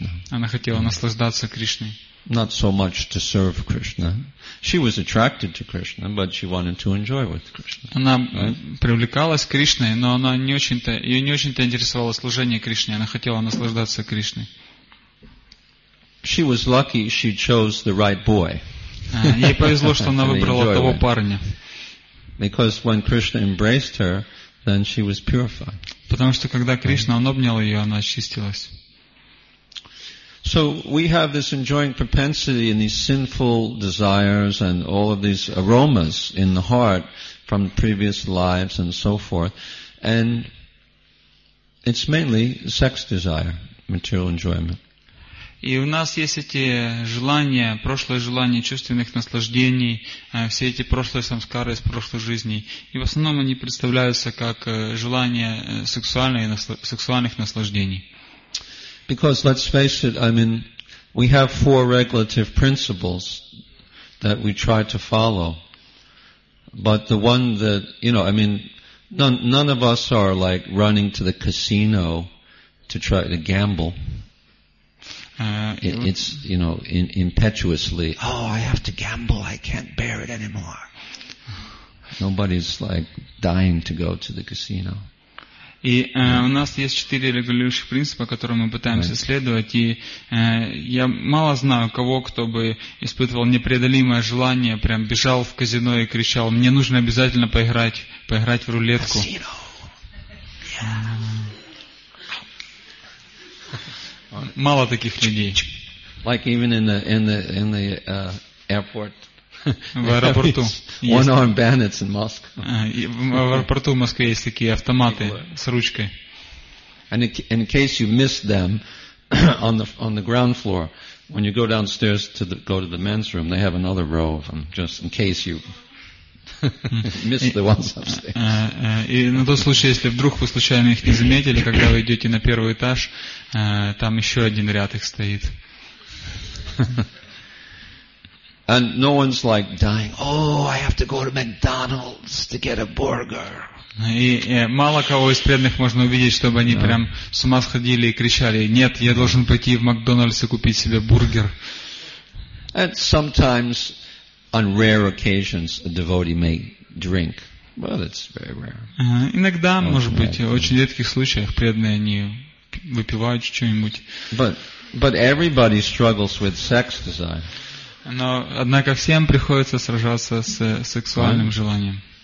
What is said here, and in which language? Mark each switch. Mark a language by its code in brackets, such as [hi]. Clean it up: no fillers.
[ru] Она хотела наслаждаться Кришной. [en] Not so much to serve Krishna. She was attracted to Krishna, but she wanted to enjoy with Krishna. [ru] Она привлекалась к Кришне, но она не очень-то, ее не очень-то интересовало служение Кришне. Она хотела наслаждаться Кришной. [en] She was lucky she chose the right boy. [ru] Ей повезло, что она выбрала того парня. [en] Because when Krishna embraced her, then she was purified. [ru] Потому что когда Кришна он обнял ее, она очистилась. [en] So we have this enjoying propensity and these sinful desires and all of these aromas in the heart from previous lives and so forth. And it's mainly sex desire, material enjoyment. [ru] И у нас есть эти желания, прошлые желания чувственных наслаждений, все эти прошлые самскары из прошлой жизни. И в основном они представляются как желания сексуальных наслаждений. [en] Because let's face it, I mean, we have four regulative principles that we try to follow. But the one that, you know, I mean, none of us are like running to the casino to try to gamble. It's, you know, impetuously, oh, I have to gamble, I can't bear it anymore. Nobody's like dying to go to the casino. [ru] И у нас есть четыре регулирующих принципа, которые мы пытаемся следовать. И я мало знаю кого, кто бы испытывал непреодолимое желание, прям бежал в казино и кричал, мне нужно обязательно поиграть в рулетку. Мало таких людей. [en] Like even in the airport. [ru] В аэропорту. [en] One-armed bandits in Moscow. [ru] В аэропорту в Москве есть такие автоматы с ручкой. [en] And in case you miss them on the ground floor, when you go downstairs to go to the men's room, they have another row of them, just in case you miss the ones upstairs. [ru] И на тот случай, если вдруг вы случайно их не заметили, когда вы идете на первый этаж, там еще один ряд их стоит. [en] And no one's like dying. Oh, I have to go to McDonald's to get a burger. [ru] И мало кого из преданных можно увидеть, чтобы они прям с ума сходили и кричали: "Нет, я должен пойти в Макдональдс и купить себе бургер." [en] And sometimes, on rare occasions, a devotee may drink. Well, it's very rare. [ru] Иногда, может быть, в очень редких случаях преданные они выпивают что-нибудь. [en] But everybody struggles with sex desire. [ru] Но, однако, всем приходится сражаться с сексуальным желанием.